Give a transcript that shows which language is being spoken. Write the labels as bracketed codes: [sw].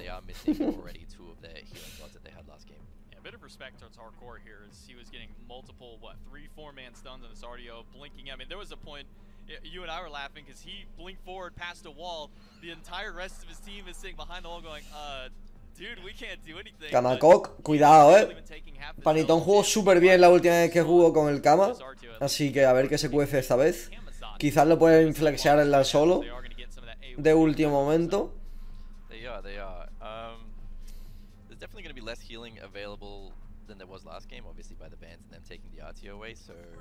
[en] Yeah, a bit of respect towards Hardcore here as he was getting multiple, what, 3-4 man stuns on this RDO, blinking. I mean, there was a point. You and I were laughing because he blinked forward past a wall. The entire rest of his team is sitting behind the wall going, dude, we can't do anything. [es] Kama Kok, cuidado, Panitón jugó súper bien la última vez que jugó con el Kama. Así que a ver qué se cuece esta vez. Quizás lo pueden flexear en la solo de último momento. [en] There's definitely going to be less healing available than there was last game, obviously by the bans and them taking the RTO away, so.